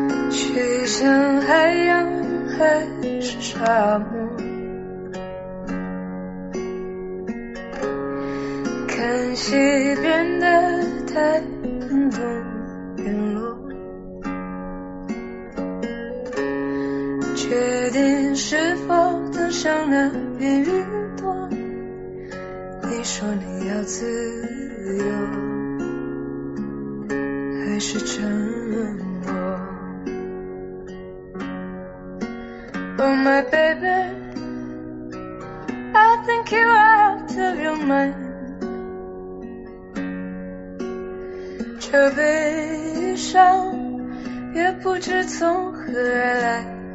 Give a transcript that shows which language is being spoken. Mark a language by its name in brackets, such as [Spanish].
[Chinese] 去向海洋还是沙漠，看西边的太阳东边落，决定是否登上那片云朵。你说你要自由，还是沉默？ [English] Oh my baby, I think you are out of your mind. [Chinese] 这悲伤也不知从何而来。